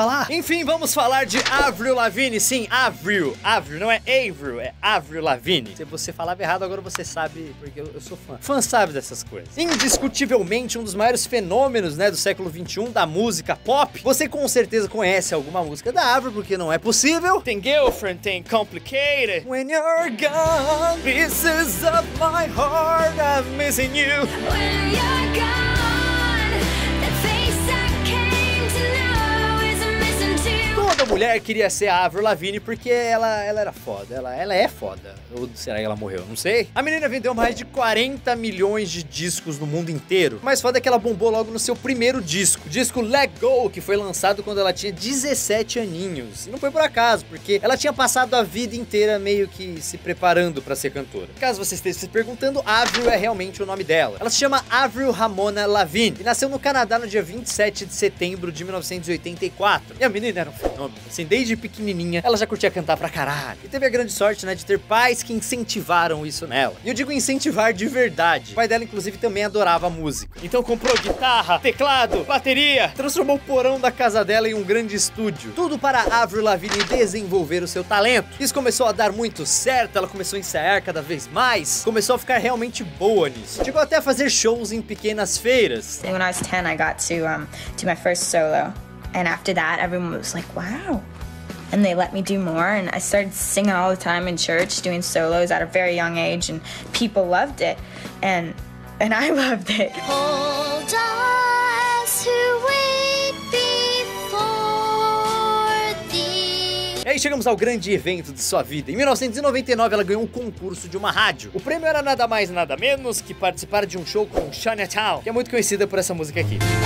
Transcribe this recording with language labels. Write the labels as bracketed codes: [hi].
[pt] Enfim, vamos falar de Avril Lavigne, sim, Avril, não é Avril, é Avril Lavigne. Se você falava errado, agora você sabe, porque eu sou fã. Fã sabe dessas coisas. Indiscutivelmente, um dos maiores fenômenos, né, do século XXI, da música pop. Você com certeza conhece alguma música da Avril, porque não é possível. Tem Girlfriend, tem Complicated. [en] When you're gone, pieces of my heart. I'm missing you. When you're gone, the face I came to know is missing too. [pt] Toda mulher queria ser a Avril Lavigne porque ela era foda. Ela é foda. Ou será que ela morreu? Não sei. A menina vendeu mais de 40 milhões de discos no mundo inteiro. Mas foda é que ela bombou logo no seu primeiro disco. O disco Let Go, que foi lançado quando ela tinha 17 aninhos. E não foi por acaso, porque ela tinha passado a vida inteira meio que se preparando pra ser cantora. Caso você esteja se perguntando, Avril é realmente o nome dela. Ela se chama Avril Ramona Lavigne. E nasceu no Canadá no dia 27 de setembro de 1984. E a menina era um fenômeno. Assim, desde pequenininha, ela já curtia cantar pra caralho. E teve a grande sorte, né, de ter pais que incentivaram isso nela. E eu digo incentivar de verdade. O pai dela, inclusive, também adorava música. Então comprou guitarra, teclado, bateria. Transformou o porão da casa dela em um grande estúdio. Tudo para Avril Lavigne desenvolver o seu talento. Isso começou a dar muito certo. Ela começou a ensaiar cada vez mais. Começou a ficar realmente boa nisso. Chegou até a fazer shows em pequenas feiras. [en] When I was 10, I got to do my first solo. And after that, everyone was like, wow. And they let me do more, and I started singing all the time in church, doing solos at a very young age, and people loved it, and I loved it. Hold us who wait before thee. [pt] E aí chegamos ao grande evento de sua vida. Em 1999, ela ganhou um concurso de uma rádio. O prêmio era nada mais, nada menos que participar de um show com Chinatown, que é muito conhecida por essa música aqui.